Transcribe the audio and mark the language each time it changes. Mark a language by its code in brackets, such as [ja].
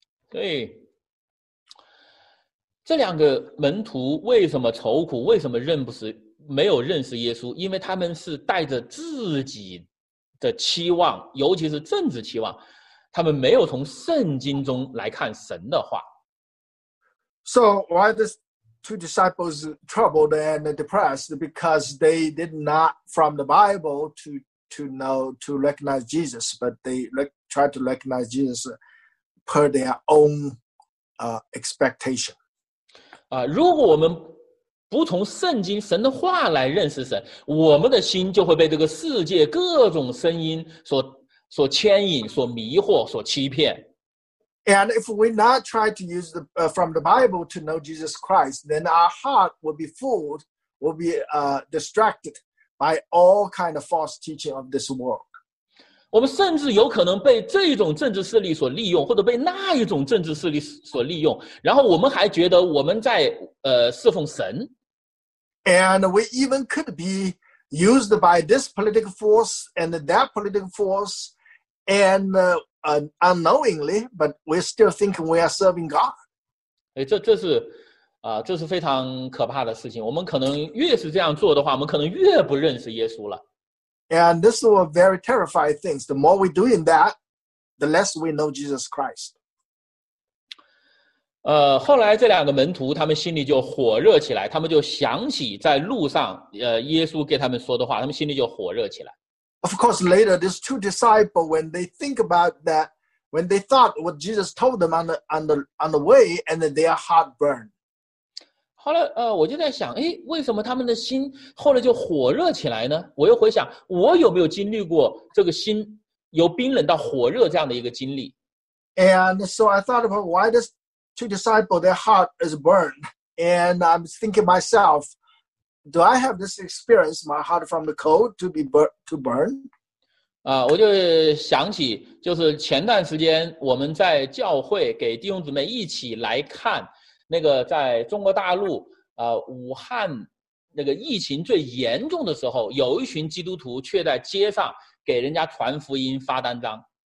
[zh] 对，这两个门徒为什么愁苦？为什么没有认识耶稣？因为他们是带着自己的期望，尤其是政治期望，他们没有从圣经中来看神的话。 [en] So why this? Two disciples troubled and depressed because they did not from the Bible to recognize Jesus, but they tried to recognize Jesus per their own expectation. [zh] 如果我们不从圣经神的话来认识神，我们的心就会被这个世界各种声音所牵引、所迷惑、所欺骗。 [en] And if we not try to use from the Bible to know Jesus Christ, then our heart will be fooled, will be distracted by all kind of false teaching of this world. [zh] 我们甚至有可能被这种政治势力所利用，或者被那一种政治势力所利用，然后我们还觉得我们在侍奉神。 [en] And we even could be used by this political force and that political force and unknowingly, but we're still thinking we are serving God. [zh] 这是非常可怕的事情。我们可能越是这样做的话，我们可能越不认识耶稣了。 [en] And this is a very terrifying thing. The more we're doing that, the less we know Jesus Christ. [zh] 后来这两个门徒他们心里就火热起来，他们就想起在路上耶稣给他们说的话，他们心里就火热起来。 [en] Of course, later, these two disciples, when they think about that, when they thought what Jesus told them on the way, and then their heart burned. [zh] 后来我就在想，诶，为什么他们的心后来就火热起来呢？我又回想，我有没有经历过这个心由冰冷到火热这样的一个经历？ [en] And so I thought about why this two disciples, their heart is burned. And I'm thinking myself,Do I have this experience, my heart from the cold to burn? [zh] 我就想起，就是前段时间我们在教会给弟兄姊妹一起来看那个在中国大陆武汉那个疫情最严重的时候，有一群基督徒却在街上给人家传福音发单张。